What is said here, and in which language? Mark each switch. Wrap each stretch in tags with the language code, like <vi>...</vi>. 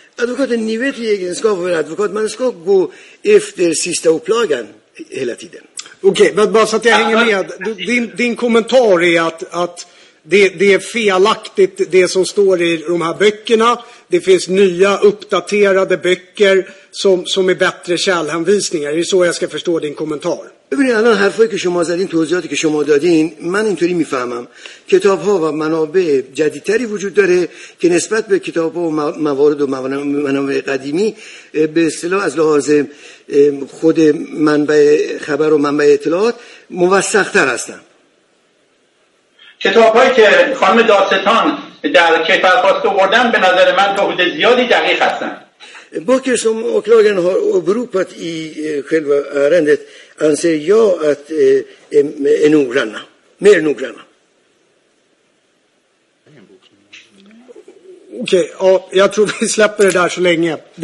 <sv>Advokaten, ni vet egentligen ska vara advokat, man ska gå efter sista upplagan hela tiden. Okej, okay, men bara så att jag hänger med. Din kommentar är att det är felaktigt det som står i de här böckerna. Det finns nya uppdaterade böcker som är bättre källhänvisningar. Det är så jag ska förstå din kommentar.</sv> <fa>ببینید الان حرفایی که شما زدین، توضیحاتی که شما دادین، من اینطوری میفهمم کتاب ها و منابع جدیدتری وجود داره که نسبت به کتاب ها و موارد و منابع قدیمی به اصطلاح از لحاظ خود منبع خبر و منبع اطلاعات موثق‌تر هستن. کتاب هایی که خانم داستان در کیفرخواست آوردن به نظر من تا حد زیادی دقیق هستن.</fa> <sv>Böcker som åklagaren har beropat i själva ärendet anser jag att är noggranna, mer noggranna. Okej, okay, ja, jag tror vi släpper det där så länge.</sv>